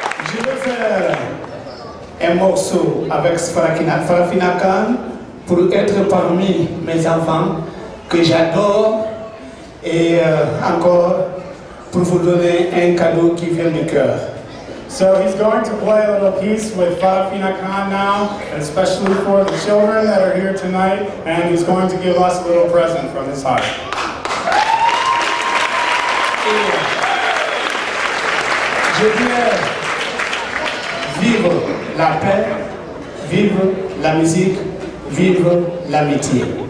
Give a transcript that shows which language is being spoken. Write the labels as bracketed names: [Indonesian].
[French] Je vais faire un morceau avec Farafina Kan pour être parmi mes enfants. Que j'adore et encore pour vous donner un cadeau qui vient du cœur. [English] So he's going to play a little piece with Farafina Kan now, especially for the children that are here tonight, and he's going to give us a little present from his heart. [French] Et je veux vivre la paix, vivre la musique, vivre l'amitié.